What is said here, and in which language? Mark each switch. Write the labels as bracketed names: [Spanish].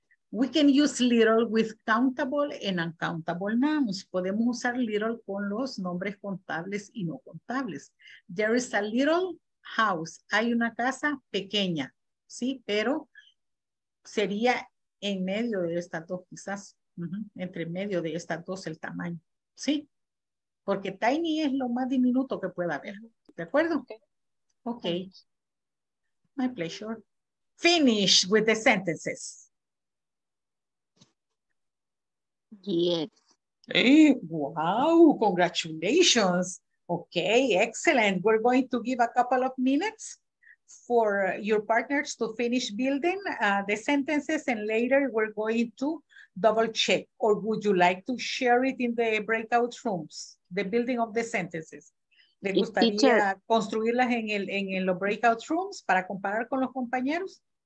[English] We can use little with countable and uncountable nouns. [Spanish] Podemos usar little con los nombres contables y no contables. [English] There is a little house. [Spanish] Hay una casa pequeña, ¿sí? Pero sería en medio de estas dos, quizás. Entre medio de estas dos el tamaño, ¿sí? Porque tiny es lo más diminuto que pueda haber, ¿de acuerdo? [English] Okay. My pleasure. Finish with the sentences. Yes. Hey, wow, congratulations. Okay, excellent. We're going to give a couple of minutes for your partners to finish building the sentences, and later we're going to double check, or would you like to share it in the breakout rooms, the building of the sentences? [Spanish] ¿Le gustaría teacher, construirlas en los breakout rooms para comparar con los compañeros?